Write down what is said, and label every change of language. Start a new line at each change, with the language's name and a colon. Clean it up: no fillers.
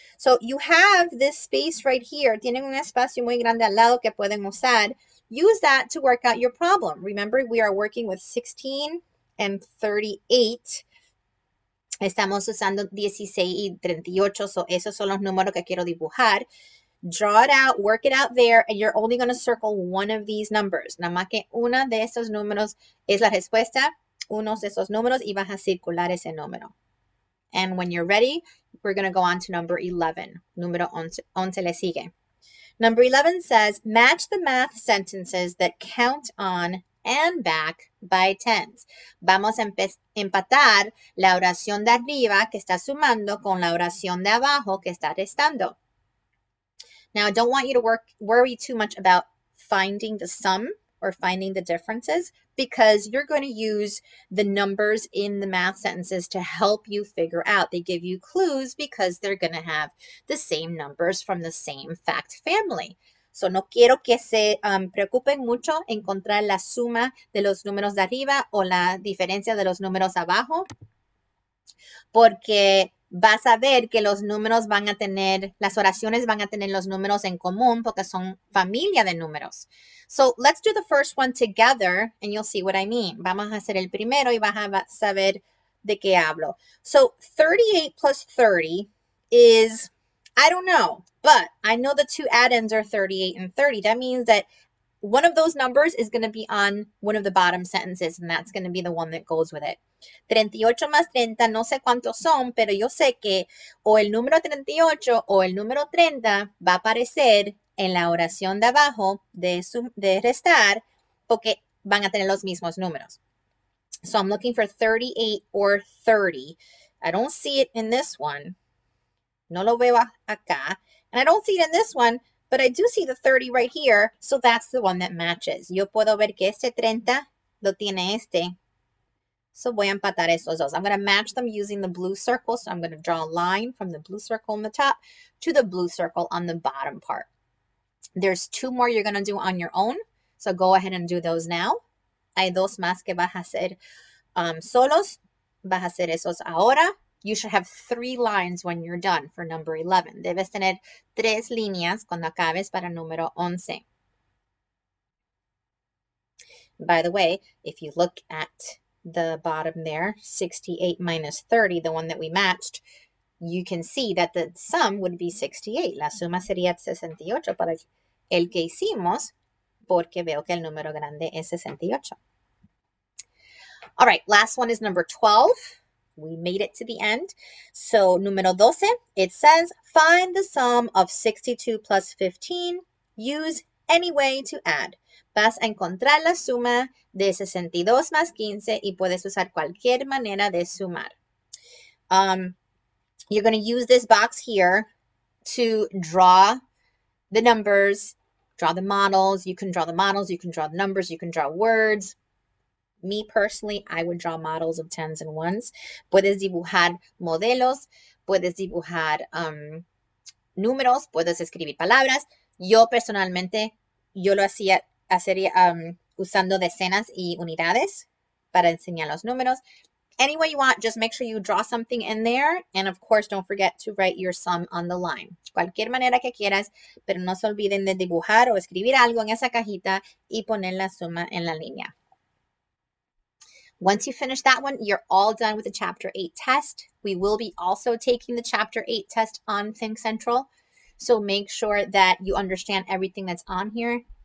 Spanish: So you have this space right here. Tienen un espacio muy grande al lado que pueden usar.
English: Use that to work out your problem. Remember, we are working with 16 and 38.
Spanish: Estamos usando 16 y 38, so esos son los números que quiero dibujar.
English: Draw it out, work it out there, and you're only going to circle one of these numbers.
Spanish: Nada más que una de esos números es la respuesta, unos de esos números, y vas a circular ese número.
English: And when you're ready, we're going to go on to number 11. Número 11 le sigue. Number 11 says, match the math sentences that count on and back by tens.
Spanish: Vamos a empatar la oración de arriba que está sumando con la oración de abajo que está restando.
English: Now, I don't want you to worry too much about finding the sum or finding the differences because you're going to use the numbers in the math sentences to help you figure out. They give you clues because they're going to have the same numbers from the same fact family.
Spanish: So no quiero que se preocupen mucho encontrar la suma de los números de arriba o la diferencia de los números abajo, porque vas a ver que los números van a tener, las oraciones van a tener los números en común porque son familia de números.
English: So let's do the first one together and you'll see what I mean.
Spanish: Vamos a hacer el primero y vas a saber de qué hablo.
English: So 38 plus 30 is, I don't know, but I know the two add-ins are 38 and 30. That means that one of those numbers is going to be on one of the bottom sentences, and that's going to be the one that goes with it.
Spanish: 38 más 30, no sé cuántos son, pero yo sé que o el número 38 o el número 30 va a aparecer en la oración de abajo de restar porque van a tener los mismos números.
English: So I'm looking for 38 or 30. I don't see it in this one.
Spanish: No lo veo acá.
English: And I don't see it in this one, but I do see the 30 right here. So that's the one that matches.
Spanish: Yo puedo ver que este 30 lo tiene este. So voy a empatar estos dos.
English: I'm going to match them using the blue circle. So I'm going to draw a line from the blue circle on the top to the blue circle on the bottom part. There's two more you're going to do on your own. So go ahead and do those now.
Spanish: Hay dos más que vas a hacer solos. Vas a hacer esos ahora.
English: You should have three lines when you're done for number 11.
Spanish: Debes tener tres líneas cuando acabes para número 11.
English: By the way, if you look at the bottom there, 68 minus 30, the one that we matched, you can see that the sum would be 68.
Spanish: La suma sería 68 para el que hicimos porque veo que el número grande es 68. All right, last one is number 12.
English: We made it to the end. So, número 12, it says, find the sum of 62 plus 15. Use any way to add.
Spanish: Vas a encontrar la suma de 62 más 15 y puedes usar cualquier manera de sumar.
English: You're going to use this box here to draw the numbers, draw the models. You can draw the models, you can draw the numbers, you can draw words. Me personally, I would draw models of tens and ones.
Spanish: Puedes dibujar modelos, puedes dibujar números, puedes escribir palabras. Yo personalmente, yo lo hacía usando decenas y unidades para enseñar los números.
English: Any way you want, just make sure you draw something in there. And of course, don't forget to write your sum on the line.
Spanish: Cualquier manera que quieras, pero no se olviden de dibujar o escribir algo en esa cajita y poner la suma en la línea.
English: Once you finish that one, you're all done with the Chapter 8 test. We will be also taking the Chapter 8 test on ThinkCentral. So make sure that you understand everything that's on here.